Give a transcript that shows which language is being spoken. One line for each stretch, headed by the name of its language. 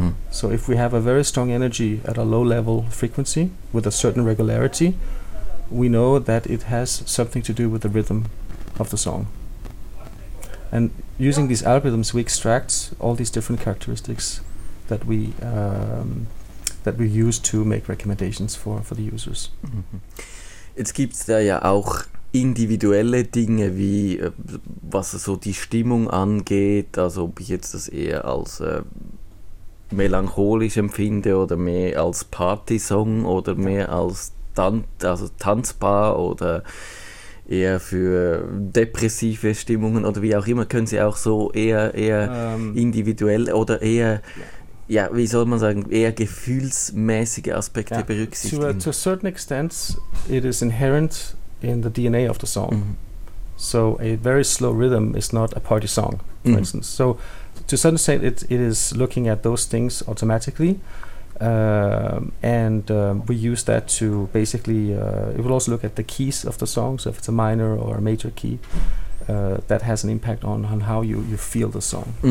English: So if we have a very strong energy at a low level frequency with a certain regularity, we know that it has something to do with the rhythm of the song. And using these algorithms, we extract all these different characteristics that we use to make recommendations for the users.
German: Jetzt gibt's da ja auch individuelle Dinge, wie was so die Stimmung angeht, also ob ich jetzt das eher als melancholisch empfinde oder mehr als Party-Song oder mehr als also tanzbar oder eher für depressive Stimmungen oder wie auch immer, können Sie auch so eher individuell oder eher, ja, wie soll man sagen, eher gefühlsmäßige Aspekte berücksichtigen?
English: To a certain extent, it is inherent in the DNA of the song. Mm-hmm. So a very slow rhythm is not a party song, for instance. So to a certain extent, it is looking at those things automatically. We use that to basically, it will also look at the keys of the song, so if it's a minor or a major key, that has an impact on how you feel the song. Mm-hmm.